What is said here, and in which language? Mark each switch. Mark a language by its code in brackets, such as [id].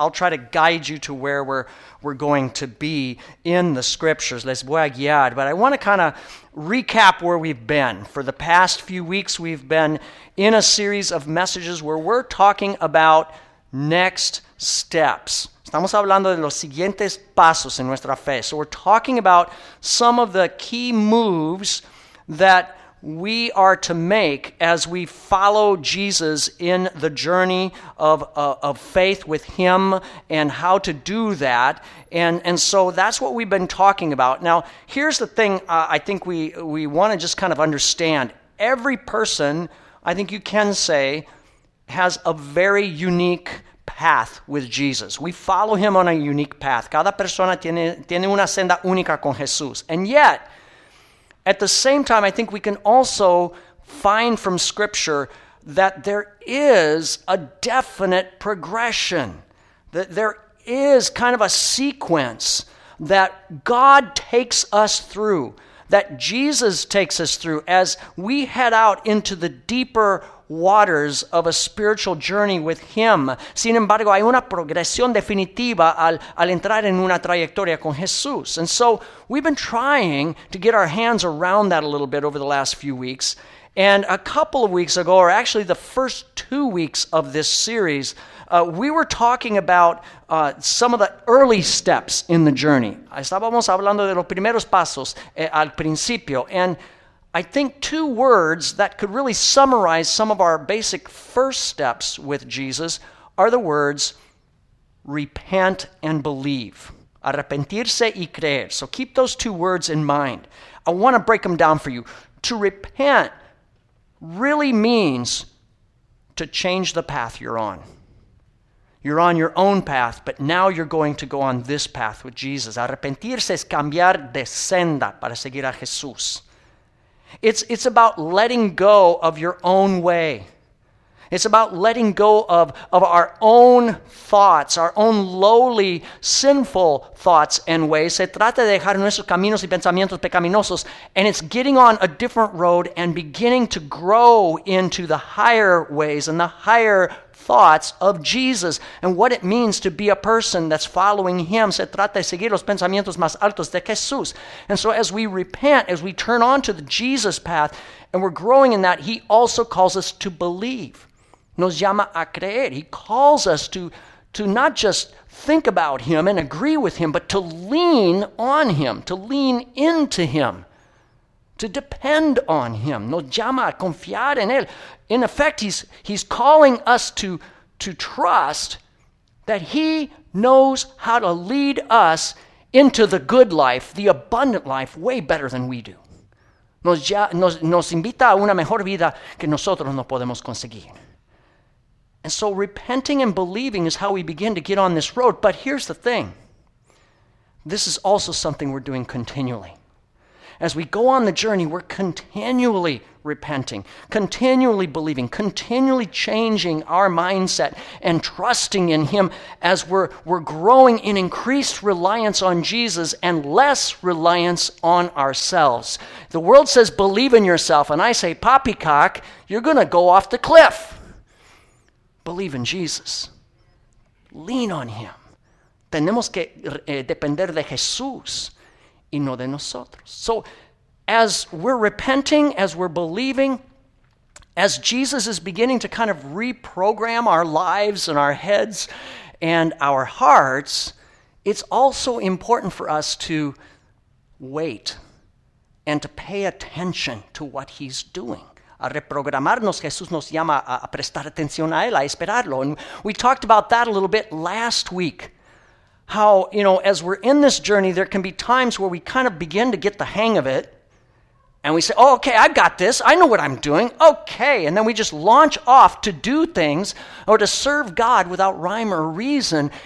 [en] I'll try to guide you to where we're going to be in the Scriptures. [es] Les voy a guiar. [en] But I want to kind of recap where we've been. For the past few weeks, we've been in a series of messages where we're talking about next steps. [es] Estamos hablando de los siguientes pasos en nuestra fe. [en] So we're talking about some of the key moves that we are to make as we follow Jesus in the journey of faith with Him and how to do that. And so that's what we've been talking about. Now, here's the thing I think we want to just kind of understand. Every person, I think you can say, has a very unique path with Jesus. We follow Him on a unique path. [es] Cada persona tiene una senda única con Jesús. [en] And yet, at the same time, I think we can also find from Scripture that there is a definite progression, that there is kind of a sequence that God takes us through, that Jesus takes us through as we head out into the deeper waters of a spiritual journey with Him. [es] Sin embargo, hay una progresión definitiva al entrar en una trayectoria con Jesús. [en] And so we've been trying to get our hands around that a little bit over the last few weeks. And a couple of weeks ago, or actually the first 2 weeks of this series, we were talking about some of the early steps in the journey. [es] Estábamos hablando de los primeros pasos al principio. [en] And I think two words that could really summarize some of our basic first steps with Jesus are the words repent and believe. [es] Arrepentirse y creer. [en] So keep those two words in mind. I want to break them down for you. To repent really means to change the path you're on. You're on your own path, but now you're going to go on this path with Jesus. [es] Arrepentirse es cambiar de senda para seguir a Jesús. [en] It's about letting go of your own way. It's about letting go of our own thoughts, our own lowly, sinful thoughts and ways. [es] Se trata de dejar nuestros caminos y pensamientos pecaminosos. [en] And it's getting on a different road and beginning to grow into the higher ways and the higher thoughts of Jesus and what it means to be a person that's following Him. [es] Se trata de seguir los pensamientos más altos de Jesús. [en] And so as we repent, as we turn on to the Jesus path and we're growing in that, He also calls us to believe. [es] Nos llama a creer. [en] He calls us to not just think about Him and agree with Him, but to lean on Him, to lean into Him, to depend on Him. [es] Nos llama a confiar en Él. [en] In effect, he's calling us to trust that He knows how to lead us into the good life, the abundant life, way better than we do. [es] Nos invita a una mejor vida que nosotros no podemos conseguir. [en] And so repenting and believing is how we begin to get on this road. But here's the thing. This is also something we're doing continually. As we go on the journey, we're continually repenting, continually believing, continually changing our mindset and trusting in Him as we're growing in increased reliance on Jesus and less reliance on ourselves. The world says, believe in yourself. And I say, poppycock, you're going to go off the cliff. Believe in Jesus. Lean on Him. [es] Tenemos que depender de Jesús y no de nosotros. [en] So as we're repenting, as we're believing, as Jesus is beginning to kind of reprogram our lives and our heads and our hearts, it's also important for us to wait and to pay attention to what he's doing. [es] A reprogramarnos, Jesús nos llama a prestar atención a él, a esperarlo. [en] And we talked about that a little bit last week. How, you know, as we're in this journey, there can be times where we kind of begin to get the hang of it. And we say, oh, okay, I've got this. I know what I'm doing. Okay. And then we just launch off to do things or to serve God without rhyme or reason.